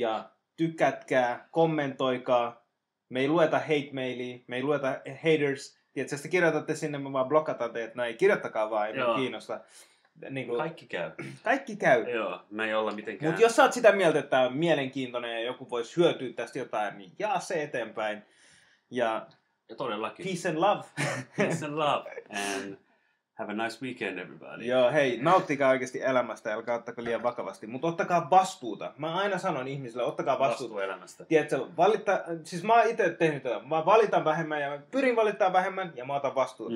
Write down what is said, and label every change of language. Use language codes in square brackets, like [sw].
[fi] Ja tykätkää, kommentoikaa. Me ei lueta hate mailia, me ei lueta haters. Tiedätkö, jos te kirjoitatte sinne, me vaan blokataan teet. No ei, kirjoittakaa vaan, ei kiinnosta. Niin kuin kaikki käy. Kaikki käy. Joo, me ei olla mitenkään. Mutta jos sä oot sitä mieltä, että tämä on mielenkiintoinen ja joku voisi hyötyä tästä jotain, niin jaa se eteenpäin. Ja todellakin. [en] Peace and love. Peace and love. And have a nice weekend, everybody. [fi] Joo, hei, nauttikaa oikeasti elämästä, älkää ottako liian vakavasti. Mutta ottakaa vastuuta. Mä aina sanon ihmisille, ottakaa vastuuta. Vastuu elämästä. Tiedätkö, siis mä oon itse tehnyt tätä. Mä valitan vähemmän ja mä pyrin valittamaan vähemmän ja mä otan vastuuta.